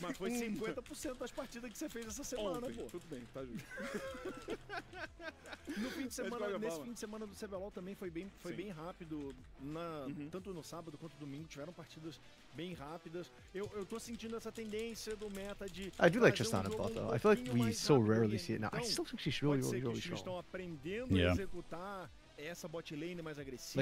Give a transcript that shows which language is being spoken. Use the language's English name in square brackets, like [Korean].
[Portuguese] Mas foi 50% das partidas que você fez essa semana, ontem, pô. Tudo bem, tá junto. No fim de semana, nesse fim de semana do CBLOL também foi bem rápido. Tanto no sábado quanto no domingo, tiveram partidas bem rápidas. Eu tô sentindo essa tendência do meta de. [English] I do like Tristana, though. I feel like we so rarely see it now. I still think she's really, really, really strong. [Portuguese] Estão aprendendo a executar essa bot lane mais agressiva.